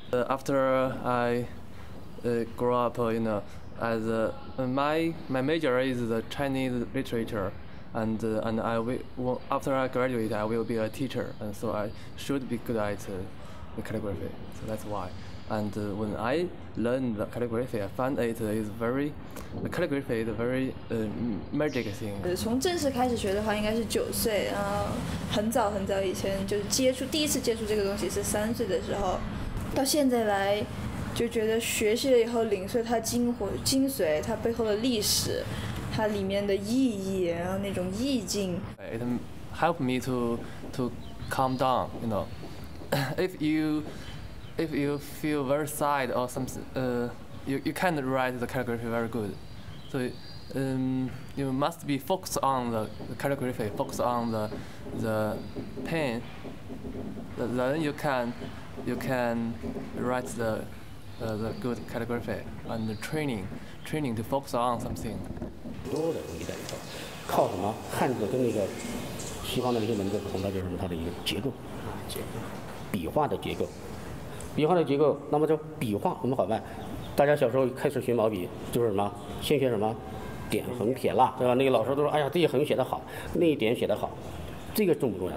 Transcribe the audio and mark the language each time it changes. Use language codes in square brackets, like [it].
[en] After I grew up, you know, as my major is the Chinese literature, and after I graduate, I will be a teacher, and so I should be good at calligraphy. So that's why. And when I learned the calligraphy, I found it is very, the calligraphy is a very magic thing. [zh] 从正式开始学的话，应该是九岁，然后很早很早以前就接触，第一次接触这个东西是三岁的时候，到现在来就觉得学习了以后领会它精髓，它背后的历史，它里面的意义，然后那种意境。 [en] It helped me to calm down, you know, if you feel very sad or something, you can't write the calligraphy very good. So you must be focused on the calligraphy, focused on the pen. Then you can write the good calligraphy and training to focus on something. [zh] 挺多的东西在里头。靠什么？汉字跟那个西方的那些文字不同的就是什么？它的一个结构，结构，笔画的结构，笔画的结构。那么这笔画我们好办，大家小时候开始学毛笔就是什么？先学什么？点横撇捺，对吧？那个老师都说，哎呀，这一横写得好，那一点写得好，这个重不重要？